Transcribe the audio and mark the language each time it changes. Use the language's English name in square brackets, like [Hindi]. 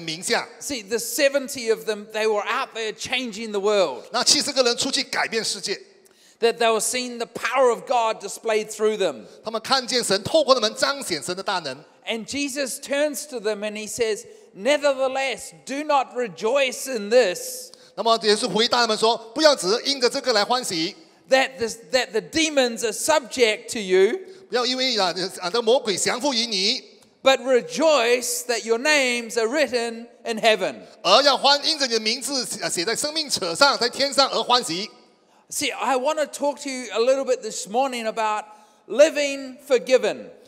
[English] See, the 70 of them, they were out there changing the world. [Chinese] 那70个人出去改变世界。 [English] That they were seeing the power of God displayed through them. [Chinese] 他们看见神透过他们彰显神的大能。 [English] And Jesus turns to them and he says, Nevertheless, do not rejoice in this. [Chinese] 那么耶稣回答他们说，不要只因着这个来欢喜。 [English] That the demons are subject to you. [Chinese] 不要因为啊，这魔鬼降服于你。 [English] But rejoice that your names are written in heaven. [Chinese] 而要欢因着你的名字写在生命册上，在天上而欢喜。 [English] See, I want to talk to you a little bit this morning about living forgiven.